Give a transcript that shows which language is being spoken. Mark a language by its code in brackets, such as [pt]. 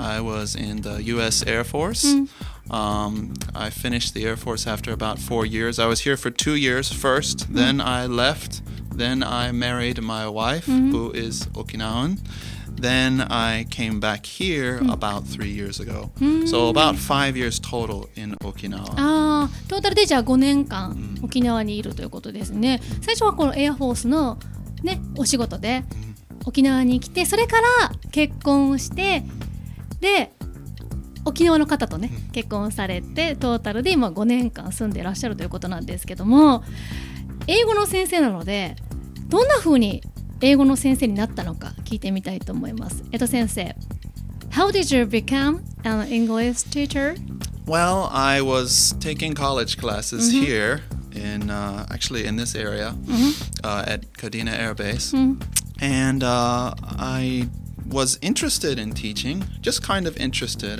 [en] I was in the US Air Force. I finished the Air Force after about 4 years. I was here for 2 years first. Then I left. Then I married my wife, who is Okinawan. Then I came back here about 3 years ago. So about 5 years total in Okinawa. [ja] トータルでじゃあ5年間沖縄にいるということですね。最初はこのエアフォースの、ね、お仕事で沖縄に来て、それから結婚して、で沖縄の方とね結婚されて、トータルで今5年間住んでらっしゃるということなんですけども、英語の先生なのでどんな風に英語の先生になったのか聞いてみたいと思います。 [en] 先生、 How did you become an English teacher? Well, I was taking college classes here in, actually in this area, at Kadena Air Base. And I was interested in teaching, just kind of interested.